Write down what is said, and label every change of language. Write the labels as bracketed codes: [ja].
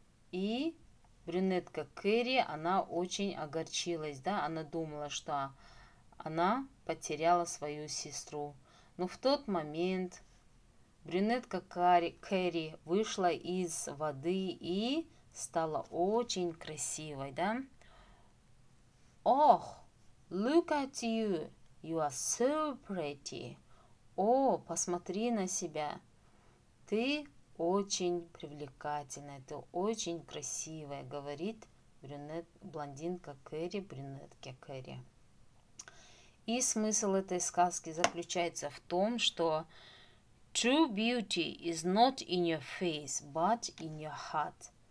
[ru] И брюнетка Кэрри, она очень огорчилась, да, она думала, что она потеряла свою сестру. Но в тот момент брюнетка Кэрри вышла из воды и стала очень красивой, да. [en] Oh, look at you, you are so pretty. [ru] О, посмотри на себя, ты очень привлекательная, ты очень красивая, говорит блондинка Кэрри, брюнетка Кэрри. И смысл этой сказки заключается в том, что true beauty is not in your face, but in your heart.